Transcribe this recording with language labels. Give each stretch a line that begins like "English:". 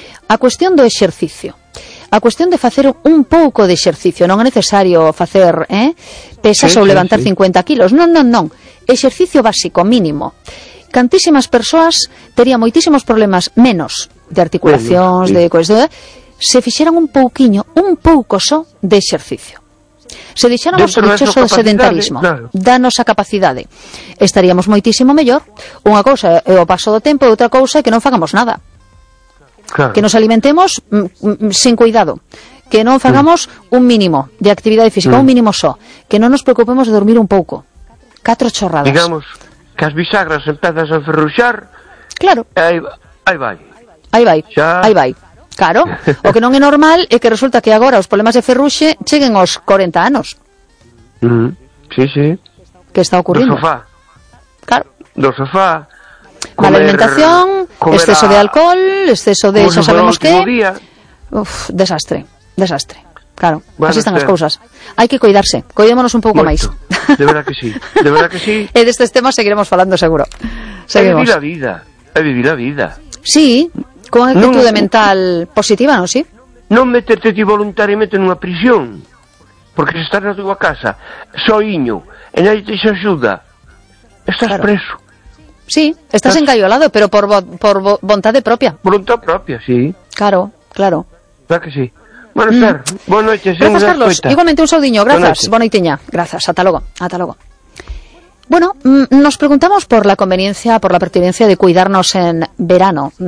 Galician: A cuestión do exercicio. A cuestión de facer un pouco de exercicio. Non é necesario facer pesas ou levantar 50 kilos. Non. Exercicio básico, mínimo. Cantísimas persoas terían moitísimos problemas menos de articulacións, de coesión, se fixeran un pouquiño, un pouco só de exercicio. Se dixéramos o dichoso de sedentarismo, da nosa capacidade, estaríamos moitísimo mellor. Unha cousa é o paso do tempo, outra cousa é que non fagamos nada. Claro. Que nos alimentemos sin cuidado. Que non fagamos un mínimo de actividade física, un mínimo só. Que non nos preocupemos de dormir un pouco. 4 chorradas. Digamos... que as bisagras empezas a enferruxar... Claro. Aí vai. Claro. O que non é normal é que resulta que agora os problemas de ferruxe cheguen aos 40 anos. Sí. Que está ocurrindo? Do sofá. Claro. Do sofá. Mala alimentación, exceso de alcohol, exceso de xa sabemos que... Uf, desastre. Claro, bueno, así están as cousas. Hai que cuidarse, cuidémonos un pouco máis.
Spanish: De verdad que sí.
Galician: E destes temas seguiremos falando, seguro. Seguimos. É vivir a vida. Sí, con actitude mental positiva, non, sí? Non meterte ti voluntariamente nunha prisión, porque se estás na túa casa, soíño, e nadie te xa axuda, estás preso. Sí, estás engaiolado, pero por vontade propia.
Spanish: Voluntad propia, sí. Claro. Verdad que sí. Buenas noches. Gracias, Carlos. Igualmente
Galician: un saudiño.
Spanish: Gracias. Bonitiña. Gracias. Hasta luego. Bueno, nos preguntamos por la conveniencia, por la pertinencia de cuidarnos en verano.